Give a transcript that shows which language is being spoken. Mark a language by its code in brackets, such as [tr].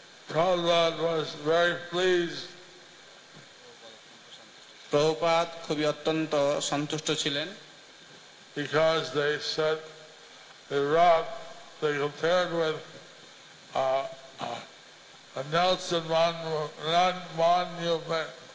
[en] Prabhupada was very pleased. [bn] Prabhupada খুবই অত্যন্ত সন্তুষ্ট ছিলেন। [en] Because they said the rock they compared with a Nelson monument.